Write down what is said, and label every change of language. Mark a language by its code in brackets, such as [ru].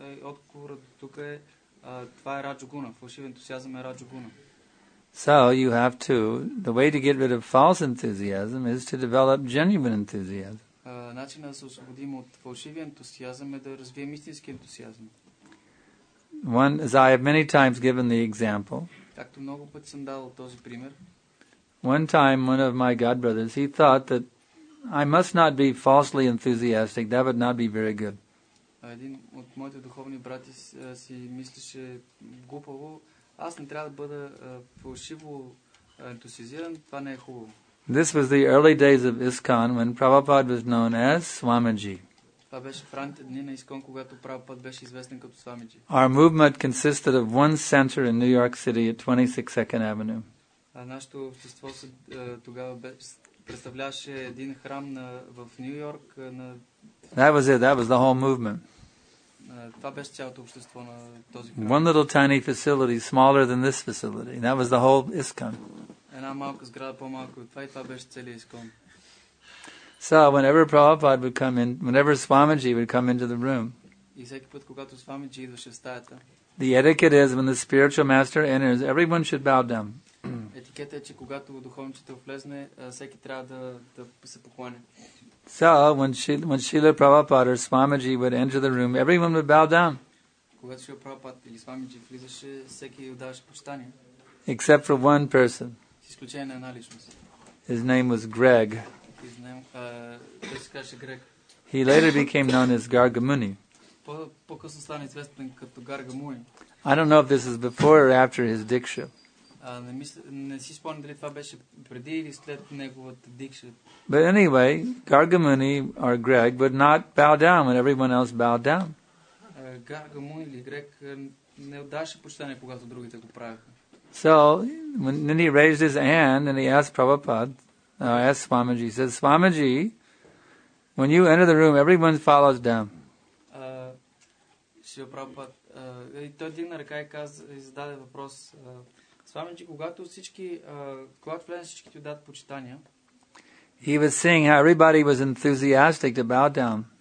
[bg] Отговорът тук е това е раджа гуна. Фалшивия ентусиазъм е раджа гуна. [en] So you have to, the way to get rid of false enthusiasm is to develop genuine enthusiasm. [bg] Начинът да се освободим от фалшивия ентусиазъм е да развием истински ентусиазъм. [en] One, as I have many times given the example. [bg] Както много пъти съм давал този пример. [en] One time, one of my god brothers, he thought that I must not be falsely enthusiastic. That would not be very good. [bg] Един от моите духовни брати си мислеше глупаво. Аз не трябва да бъда фалшиво ентусиазиран. Това не е хубаво. [en] This was the early days of ISKCON when Prabhupada was known as Swamiji. [bg] Това беше в ранните дни на ИСКОН, когато Прабхупада беше известен като Свамиджи. [en] Our movement consisted of one center in New York City at 26 Second Avenue. [bg] А нашето общество тогава представляваше един храм в Нью Йорк на. [en] That was it. That was the whole movement. [bg] Това беше цялото общество на този храм. [en] One little tiny facility, smaller than this facility. That was the whole ISKCON. [bg] Една малка сграда по-малка от това, и това беше целият ИСКОН. [en] So whenever Prabhupada would come in, whenever Swamiji would come into the room, the etiquette is when the spiritual master enters, everyone should bow down. [bg] Етикетът е, че когато духовничето влезне, всеки трябва да се поклони. [en] So, when Srila Prabhupada or Swamiji would enter the room, everyone would bow down. [bg] Когато Srila Prabhupada или Swamiji влизаше, всеки отдаваше почитание. [en] Except for one person. [bg] С изключение на една личност. [en] His name was Greg. His name, [bg] той се казваше Грег. [en] He later became known as Gargamuni. [bg] По-късно стана известен като Гаргамуни. [en] I don't know if this is before or after his diksha. [bg] Не си спомням дали това беше преди или след неговата дикша. [en] But anyway, Gargamuni or Greg would not bow down when everyone else bowed down. [bg] Gargamuni или Greg не отдаваше почитание, когато другите го правяха. [en] So, when he raised his hand and he asked Prabhupada, asked Swamiji, he said, Swamiji, when you enter the room, everyone follows down. [bg] Шрила Прабхупада, той дигна ръка и зададе въпрос, Swamiji, когато всички когато влезе, всички ти дадат почитания. [en] He was seeing how everybody was enthusiastic to bow down.